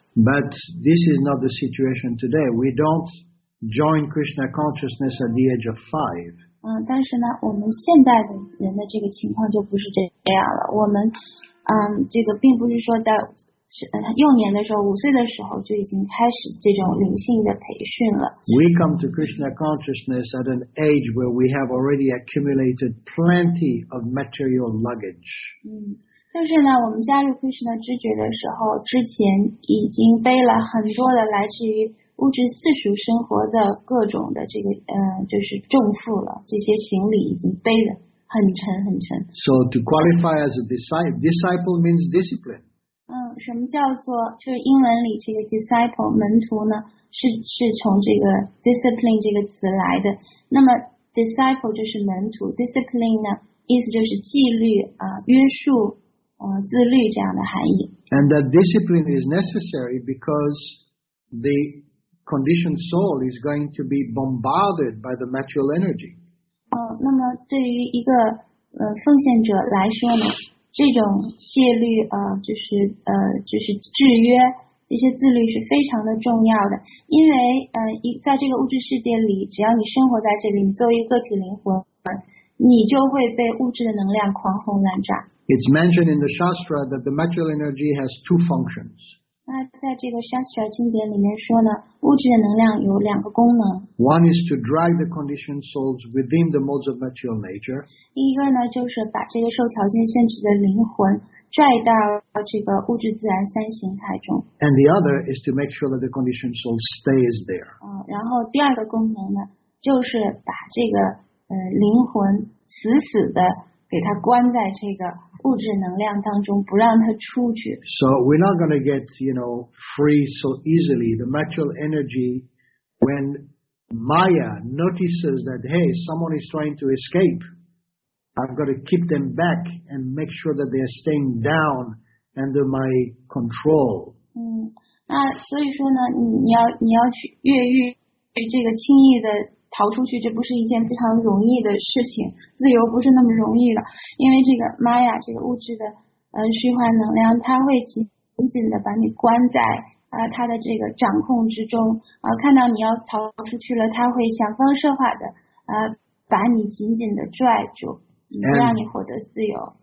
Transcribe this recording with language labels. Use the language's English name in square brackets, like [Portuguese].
[English] But this is not the situation today. We don't join Krishna consciousness at the age of five. [Chinese] 但是呢我们现代的人的这个情况就不是这样了。我们这个并不是说在幼年的时候五岁的时候就已经开始这种灵性的培训了。 [English] We come to Krishna consciousness at an age where we have already accumulated plenty of material luggage. [Chinese] 但是呢我们加入 Krishna 知觉的时候之前已经背了很多的来自于物质世俗生活的各种的这个就是重负了，这些行李已经背得很沉很沉。 [English] So to qualify as a disciple means discipline. [Chinese] 什么叫做就是英文里这个 disciple 门徒呢？是从这个 discipline 这个词来的。那么 disciple 就是门徒 ，discipline 呢意思就是纪律啊、约束、自律这样的含义。 [English] And that discipline is necessary because the conditioned soul is going to be bombarded by the material energy. [Chinese] 那么对于一个奉献者来说呢，这种戒律就是制约这些自律是非常的重要的，因为在这个物质世界里，只要你生活在这里，你作为一个个体灵魂，你就会被物质的能量狂轰滥炸。 [English] It's mentioned in the Shastra that the material energy has two functions. [Chinese] 那在这个 Shastra 经典里面说呢，物质的能量有两个功能。 [English] One is to drag the conditioned souls within the modes of material nature. [Chinese] 一个呢就是把这个受条件限制的灵魂拽到这个物质自然三形态中。 [English] And the other is to make sure that the conditioned soul stays there. [Chinese] 然后第二个功能呢，就是把这个灵魂死死的给它关在这个。物质能量当中不让它出去。 [English] So we're not going to get, you know, free so easily. The material energy, when Maya notices that, hey, someone is trying to escape, I've got to keep them back and make sure that they are staying down under my control. [Chinese] 那所以说呢，你要去越狱，这个轻易的。逃出去这不是一件非常容易的事情，自由不是那么容易的，因为这个玛雅这个物质的虚幻能量，它会紧紧的把你关在它的这个掌控之中，看到你要逃出去了，它会想方设法的把你紧紧的拽住，不让你获得自由。